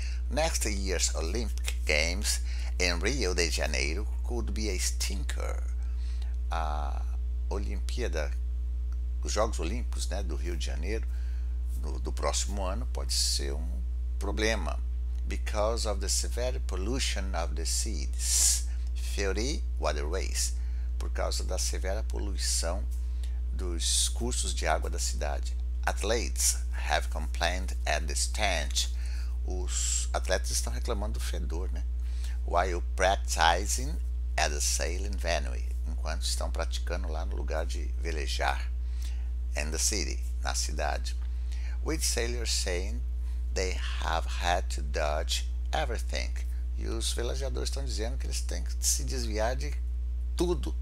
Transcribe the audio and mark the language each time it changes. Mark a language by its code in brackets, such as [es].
[en] Next year's Olympic Games in Rio de Janeiro could be a stinker. [pt] A Olimpíada, os Jogos Olímpicos, né, do Rio de Janeiro, do próximo ano, pode ser um problema. [en] Because of the severe pollution of the seas, fiery waterways. [pt] Por causa da severa poluição dos cursos de água da cidade. [en] Athletes have complained at the stench. [pt] Os atletas estão reclamando do fedor, né? [en] While practicing at the sailing venue. [pt] Enquanto estão praticando lá no lugar de velejar. [en] In the city, [pt] na cidade. [en] With sailors saying they have had to dodge everything. [pt] E os velejadores estão dizendo que eles têm que se desviar de tudo.